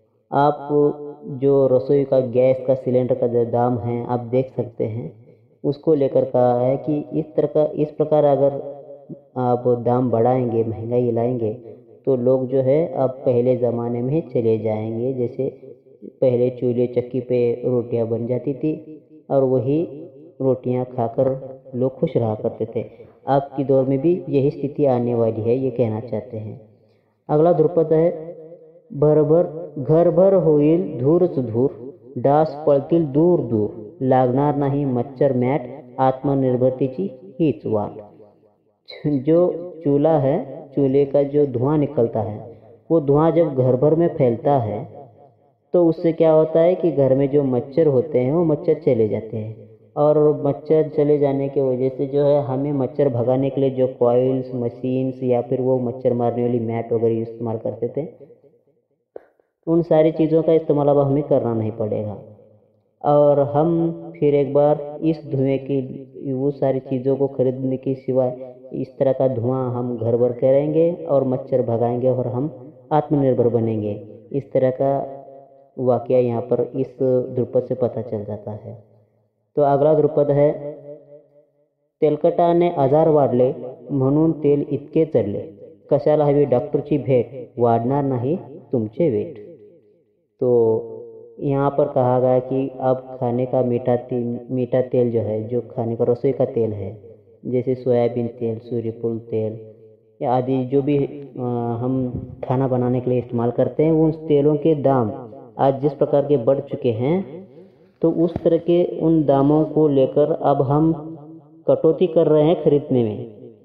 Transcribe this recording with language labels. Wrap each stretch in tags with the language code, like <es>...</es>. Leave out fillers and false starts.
<hi>आप जो रसोई का गैस का सिलेंडर का जो दाम है आप देख सकते हैं, उसको लेकर कहा है कि इस प्रकार अगर आप दाम बढ़ाएंगे, महंगाई लाएंगे, तो लोग जो है अब पहले ज़माने में चले जाएंगे। जैसे पहले चूल्हे चक्की पे रोटियां बन जाती थी और वही रोटियां खाकर लोग खुश रहा करते थे, आपकी दौर में भी यही स्थिति आने वाली है, ये कहना चाहते हैं। अगला ध्रुपद है,</hi> <mr>घर भर होईल धूरच धूर, डास पळतील दूर दूर, लागणार नाही मच्छर मॅट, आत्मनिर्भरतेची हीच वाट।</mr> <hi>जो चूल्हा है, चूल्हे का जो धुआं निकलता है, वो धुआं जब घर भर में फैलता है तो उससे क्या होता है कि घर में जो मच्छर होते हैं वो मच्छर चले जाते हैं और मच्छर चले जाने के वजह से जो है हमें मच्छर भगाने के लिए जो कॉइल्स मशीन्स या फिर वो मच्छर मारने वाली मैट वगैरह इस्तेमाल करते थे, उन सारी चीज़ों का इस्तेमाल अब हमें करना नहीं पड़ेगा और हम फिर एक बार इस धुएं की, वो सारी चीज़ों को खरीदने के सिवाय इस तरह का धुआं हम घर भर करेंगे और मच्छर भगाएंगे और हम आत्मनिर्भर बनेंगे, इस तरह का वाक्या यहाँ पर इस ध्रुपद से पता चल जाता है। तो अगला ध्रुपद है,</hi> <mr>तेलकटाने आजार वाढले म्हणून तेल इतके चढले, कशाला हवी डॉक्टरची भेट, वाढणार नाही तुमचे वेट।</mr> <hi>तो यहाँ पर कहा गया कि अब खाने का मीठा तेल जो है, जो खाने का रसोई का तेल है, जैसे सोयाबीन तेल, सूर्यफूल तेल आदि जो भी हम खाना बनाने के लिए इस्तेमाल करते हैं, उन तेलों के दाम आज जिस प्रकार के बढ़ चुके हैं तो उस तरह के उन दामों को लेकर अब हम कटौती कर रहे हैं खरीदने में।</hi>